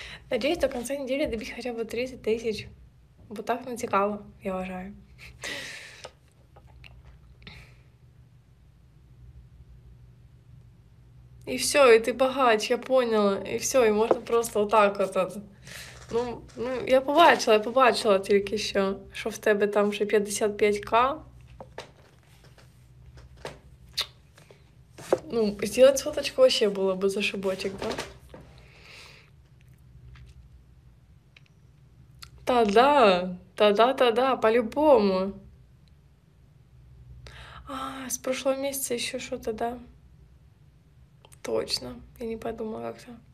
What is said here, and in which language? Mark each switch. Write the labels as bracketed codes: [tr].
[ru] Надеюсь, до конца недели добить хотя бы 30 тысяч. Вот так натекало, я уважаю. И все, и ты богач, я поняла. И все, и можно просто вот так вот. [uk] Ну, я побачила тільки що, що в тебе там вже 55К. [ru] Ну, сделать фоточку вообще было бы зашибочек, да? Та-да, по-любому. с прошлого месяца еще что-то, да? Точно, я не подумала как-то.